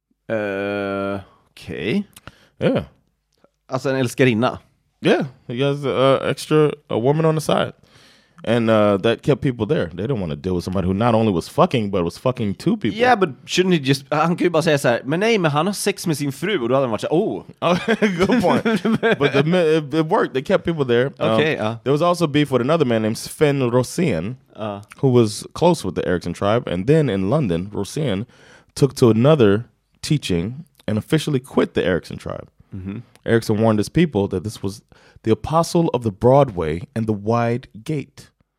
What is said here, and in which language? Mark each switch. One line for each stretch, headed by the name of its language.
English: Okay. Yeah.
Swedish: Alltså en älskarinna.
English: Yeah, he has a woman on the side. And that kept people there. They didn't want to deal with somebody who not only was fucking, but was fucking two people. Yeah, but shouldn't he just...
Swedish: Han kan ju bara säga så här, men nej, men han har sex med sin fru. Och då hade han varit så här, oh.
English: Good point. But it worked. They kept people there. Okay. There was also beef with another man named Sven Rosén, who was close with the Eriksson tribe. And then in London, Rosén took to another teaching and officially quit the Eriksson tribe. Mm-hmm. Eriksson warned his people that this was the apostle of the Broadway and the wide gate.